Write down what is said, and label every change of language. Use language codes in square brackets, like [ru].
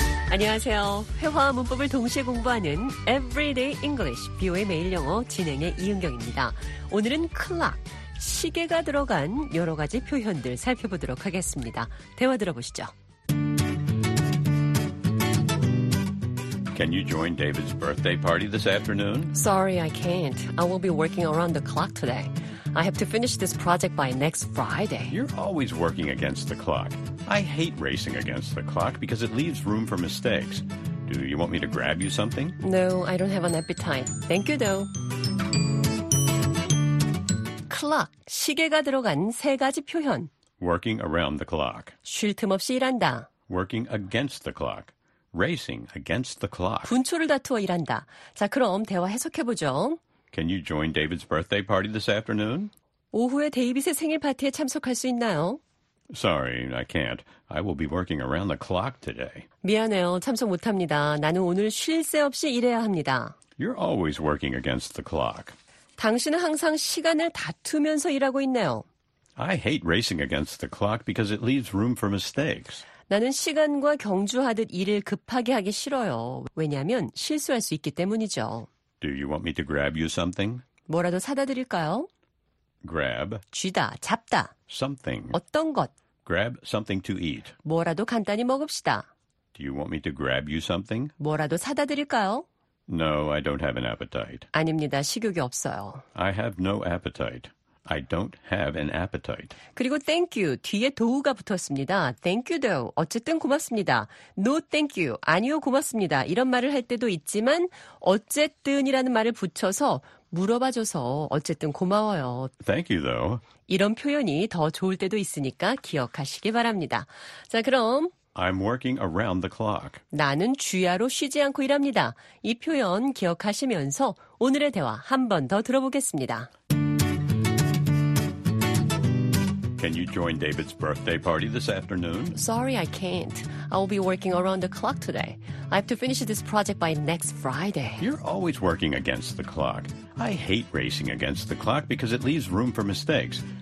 [en] Hello. [ko] 회화와 문법을 동시에 공부하는 Everyday English, 비오의 매일 영어 진행의 이은경입니다. 오늘은 clock, 시계가 들어간 여러 가지 표현들 살펴보도록 하겠습니다. 대화 들어보시죠. [en] Can you join David's birthday party this afternoon? Sorry, I can't. I will be working around the clock today. I have to finish this project by next Friday. You're always working against the clock. I hate racing against the clock because it leaves room for mistakes. Do you want me to grab you something? No, I don't have an appetite. Thank you, though. [ko] Clock, 시계가 들어간 세 가지 표현. [en] Working around the clock. [ko] 쉴 틈 없이 일한다. [en] Working against the clock. Racing against the clock. [ko] 분초를 다투어 일한다. 자, 그럼 대화 해석해보죠. [en] Can you join David's birthday party this afternoon? [ko] 오후에 데이빗의 생일 파티에 참석할 수 있나요? [en] Sorry, I can't. I will be working around the clock today. [ko] 미안해요. 참석 못합니다. 나는 오늘 쉴 새 없이 일해야 합니다. [en] You're always working against the clock. [ko] 당신은 항상 시간을 다투면서 일하고 있네요. [en] I hate racing against the clock because it leaves room for mistakes. [ko] 나는 시간과 경주하듯 일을 급하게 하기 싫어요. 왜냐하면 실수할 수 있기 때문이죠. [en] Do you want me to grab you something? [ko] 뭐라도 사다 드릴까요? [en] Grab. [ko] 쥐다, 잡다. [en] Something. [ko] 어떤 것. [en] Grab something to eat. [ko] 뭐라도 간단히 먹읍시다. [en] Do you want me to grab you something? [ko] 뭐라도 사다 드릴까요? [en] No, I don't have an appetite. [ko] 아닙니다, 식욕이 없어요. [en] I have no appetite. I don't have an appetite. [ko] 그리고 thank you, 뒤에 do가 붙었습니다. [en] Thank you, though. [ko] 어쨌든 고맙습니다. [en] No, thank you. [ko] 아니요, 고맙습니다. 이런 말을 할 때도 있지만 어쨌든이라는 말을 붙여서 물어봐줘서 어쨌든 고마워요. [en] Thank you, though. [ko] 이런 표현이 더 좋을 때도 있으니까 기억하시기 바랍니다. 자, 그럼 [en] I'm working around the clock. [ko] 나는 주야로 쉬지 않고 일합니다. 이 표현 기억하시면서 오늘의 대화 한 번 더 들어보겠습니다. [en] Can you join David's birthday party this afternoon? Sorry, I can't. I will be working around the clock today. I have to finish this project by next Friday. You're always working against the clock. I hate racing against the clock because it leaves room for mistakes.